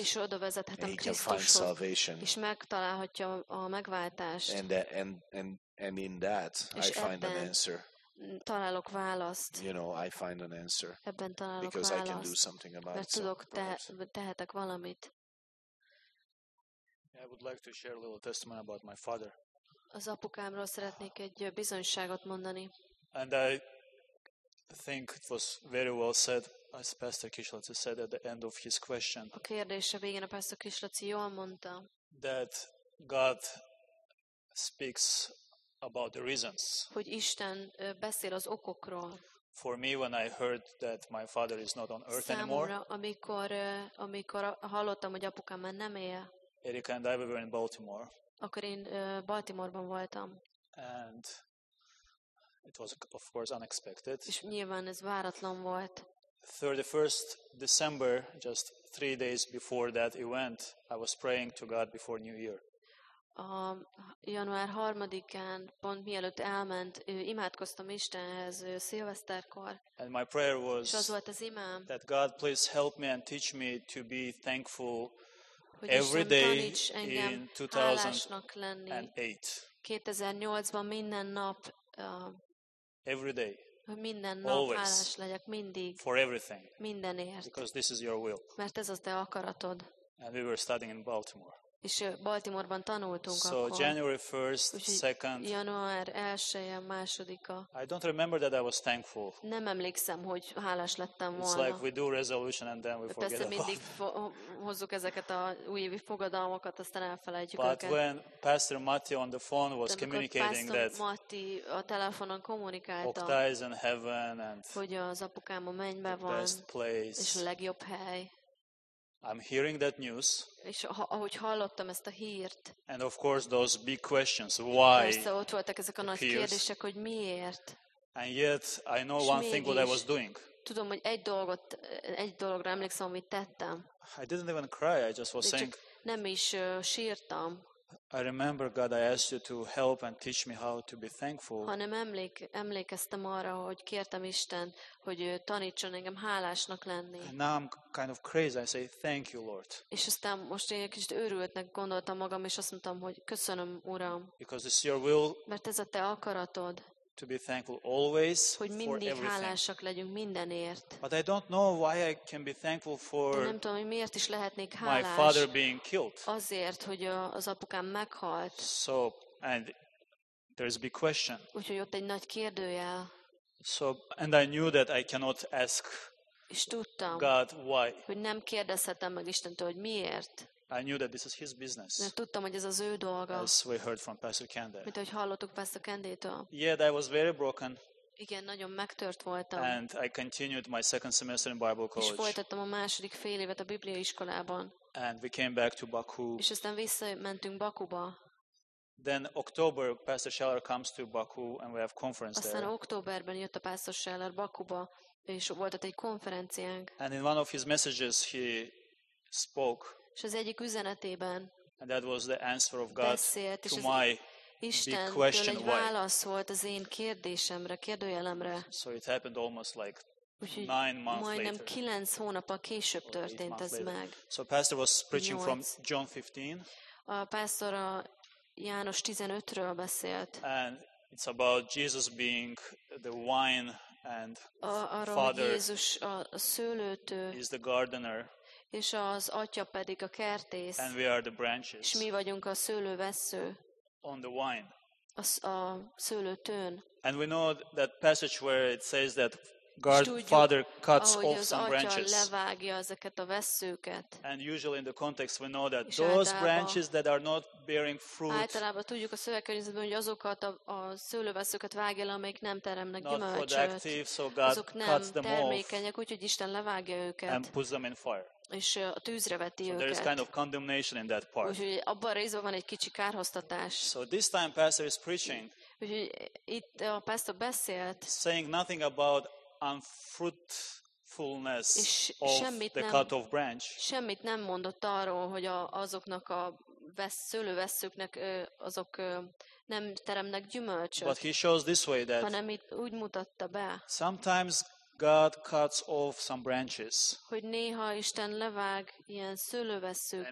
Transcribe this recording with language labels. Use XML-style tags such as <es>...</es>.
<hu>És oda vezethetem Krisztushoz. És megtalálhatja a megváltást.</hu> <en>And in that I find an answer.</en> <hu>Találok választ.</hu> <en>You know, I find an answer.</en> <hu>Ebben találok</hu> <en>because</en> <hu>választ.</hu> <en>I can do something about</en> <hu>mert tudok tehetek valamit.</hu> <en>I would like to share a little testimony about my father.</en> <hu>Az apukámról szeretnék egy bizonyságot mondani.</hu> <en>And I think it was very well said, as Pastor Kislaci said at the end of his question.</en> <hu>A kérdése végén a Pastor Kislaci jól mondta.</hu> <en>That God speaks about the reasons.</en> <hu>Hogy Isten beszél az okokról.</hu> <en>For me, when I heard that my father is not on earth</en> <hu>számomra,</hu> <en>anymore.</en> <hu>Amikor hallottam, hogy apukám már nem él.</hu> <en>Erika and I we were in Baltimore.</en> <hu>Akkor én Baltimore-ban voltam.</hu> <en>And it was of course unexpected.</en> <hu>És nyilván ez váratlan volt.</hu> <en>31st December, just 3 days before that event, I was praying to God before New Year.</en> <hu>Január 3-án, pont mielőtt elment, imádkoztam Istenhez szilveszterkor.</hu> <en>And my prayer was</en> <hu>és az volt az imám,</hu> <en>that God please help me and teach me to be thankful. Every day in 2008.</en> <hu>2008-ban minden nap.</hu> <en>Every day.</en> <hu>Minden nap hálás legyek mindig.</hu> <en>For everything.</en> <hu>Mindenért.</hu> <en>Because this is your will.</en> <hu>Mert ez az te akaratod.</hu> <en>And we were studying in Baltimore.</en> <hu>És Baltimore-ban tanultunk</hu> <en>so</en> <hu>akkor.</hu> <en>So January 1st, 2nd.</en> <hu>Január 1-e, 2-a.</hu> <en>I don't remember that I was thankful.</en> <hu>Nem emlékszem, hogy hálás lettem volna.</hu> <en>It's like we do resolution and then we forget</en> <hu>persze</hu> <en>about</en> <hu>mindig hozzuk ezeket a újévi fogadalmakat, aztán elfelejtjük</hu> <en>but</en> <hu>őket.</hu> <en>But when Pastor Matti on the phone was</en> <hu>de</hu> <en>communicating that</en> <hu>Matti a telefonon kommunikálta,</hu> <en>Octa is in heaven and</en> <hu>hogy az apukám a mennybe</hu> <en>the</en> <hu>van,</hu> <en>best place.</en> <hu>És a legjobb hely.</hu> <en>I'm hearing that news.</en> <hu>És ahogy hallottam ezt a hírt.</hu> <en>And of course those big questions, why?</en> <hu>Persze ott voltak ezek a nagy kérdések, hogy miért?</hu> <en>And yet I know one thing what I was doing.</en> <hu>Tudom, hogy egy dologra emlékszem, amit tettem.</hu> <en>I didn't even cry, I just was saying.</en> <hu>Nem is sírtam.</hu> <en>I remember God, I asked you to help and teach me how to be thankful.</en> <hu>Hanem emlékeztem arra, hogy kértem Isten, hogy tanítson engem hálásnak lenni.</hu> <en>And now I'm kind of crazy. I say, thank you, Lord.</en> <hu>És aztán most én egy kicsit őrültnek gondoltam magam, és azt mondtam, hogy köszönöm, Uram.</hu> <en>Because it's your will.</en> <hu>Mert ez a te akaratod.</hu> <en>To be thankful always for</en> <hu>hogy mindig</hu> <en>for</en> <hu>hálásak legyünk mindenért.</hu> <en>But I don't know why I can be thankful for</en> <hu>de nem tudom, hogy miért is lehetnék hálás.</hu> <en>My father being killed.</en> <hu>Azért, hogy az apukám meghalt.</hu> <en>So and there's a big question.</en> <hu>Úgyhogy ott egy nagy kérdőjel.</hu> <en>So and I knew that I cannot ask</en> <hu>és tudtam,</hu> <en>God why.</en> <hu>Hogy nem kérdezhetem meg Istentől, hogy miért.</hu> <en>I knew that this is his business.</en> <hu>Mert tudtam, hogy ez az ő dolga.</hu> <en>As we heard from Pastor Kende.</en> <hu>Mint ahogy hallottuk Pastor Kendétől.</hu> <en>Yet I was very broken.</en> <hu>Igen, nagyon megtört voltam.</hu> <en>And I continued my second semester in Bible college.</en> <hu>És folytattam a második fél évet a Biblia iskolában.</hu> <en>And we came back to Baku.</en> <hu>És aztán visszamentünk Bakuba.</hu> <en>Then October, Pastor Scheller comes to Baku, and we have conference</en> <hu>aztán</hu> <en>there.</en> <hu>Aztán októberben jött a Pastor Scheller Bakuba, és volt ott egy konferenciánk.</hu> <en>And in one of his messages, he spoke.</en> <hu>És az egyik üzenetében.</hu> <en>And that was the answer of God</en> <hu>beszélt,</hu> <en>to my</en> <hu>Isten</hu> <en>question,</en> <hu>egy válasz volt az én kérdésemre, kérdőjelemre.</hu> <en>So it happened almost like 9 months</en> <hu>majdnem</hu> <en>later.</en> <hu>Majdnem 9 hónap a később történt ez meg.</hu> <en>So pastor was preaching 8. from John 15.</en> <hu>A pastor a János 15-ről beszélt.</hu> <en>And it's about Jesus being the wine and</en> <hu>arra,</hu> <en>father.</en> <hu>Jézus a szőlőtő.</hu> <en>Is the gardener.</en> <hu>És az atya pedig a kertész.</hu> <en>And we are the branches.</en> <hu>És mi vagyunk a szőlővessző.</hu> <en>On the wine.</en> <hu>A szőlőtőn.</hu> <en>And we know that passage where it says that God, Father cuts off some branches.</en> <hu>Levágja ezeket a vesszőket.</hu> <en>And usually in the context we know that those branches that are not bearing fruit.</en> <hu>Általában tudjuk a szövegkörnyezetben, hogy azokat a szőlővesszőket vágja le, amelyik nem teremnek gyümölcsöt.</hu> <en>Not productive, so God</en> <hu>azok nem</hu> <en>cuts them</en> <hu>termékenyek, úgyhogy Isten levágja őket.</hu> <en>And puts them in fire.</en> <hu>És a tűzre veti</hu> <en>so</en> <hu>őket.</hu> <en>There is kind of condemnation in that part.</en> <hu>Úgyhogy abban a részben van egy kicsi kárhoztatás.</hu> <en>So this time pastor is preaching.</en> <hu>Úgyhogy itt a pastor beszélt.</hu> <en>Saying nothing about unfruitfulness of the cut off branch.</en> <hu>Semmit nem mondott arról, hogy azoknak a szőlővesszőknek azok nem teremnek gyümölcsöt.</hu> <en>But he shows this way that</en> <hu>hanem itt úgy mutatta be.</hu> <en>Sometimes God cuts off some branches.</en> <hu>Hogy néha Isten levág ilyen szőlővesszőket.</hu>